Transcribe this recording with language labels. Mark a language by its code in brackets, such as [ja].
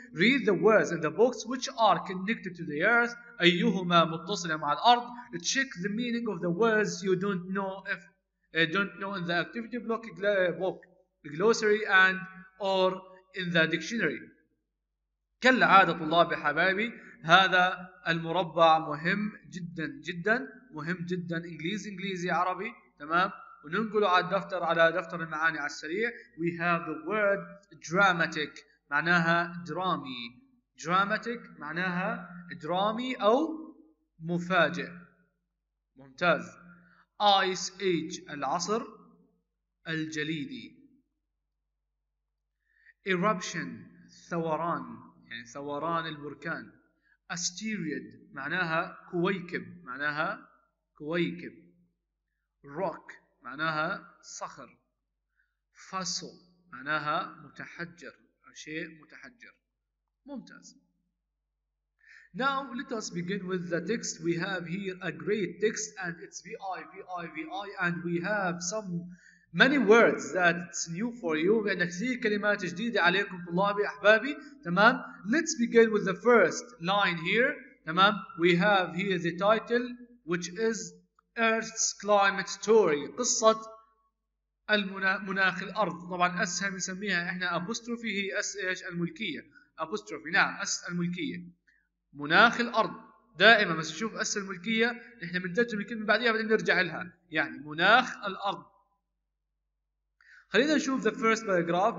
[en] Read the words in the box which are connected to the earth. [ar] أيهما متصلة مع الأرض. [en] Check the meaning of the words you don't know if don't know in the activity block book glossary and or in the dictionary. [ar] كالعادة طلابي حبايبي، هذا المربع مهم جدا جدا، مهم جدا، انجليزي انجليزي عربي. تمام، وننقله على الدفتر، على دفتر المعاني على السريع. [en] We have the word dramatic [ar] معناها درامي. Dramatic معناها درامي او مفاجئ. ممتاز. Ice age العصر الجليدي. Eruption ثوران، يعني ثوران البركان. Asteroid معناها كويكب، معناها كويكب. Rock معناها صخر. Fossil معناها متحجر، شيء متحجر. ممتاز. [en] Now let us begin with the text. We have here a great text and it's VI and we have many words that it's new for you. We have [ar] كثير كلمات جديدة عليكم طلابي أحبابي. [en] تمام. Let's begin with the first line here. تمام. We have here the title which is Earth's Climate Story. [ar] قصة مناخ الأرض. طبعا أسهم نسميها إحنا apostrophe هي أس الملكية. Apostrophe. نعم. أس الملكية. مناخ الأرض. دائما بس نشوف أس الملكية إحنا بنترجم الكلمة بعديها بعدين نرجع لها. يعني مناخ الأرض. خلينا نشوف [en] the first paragraph.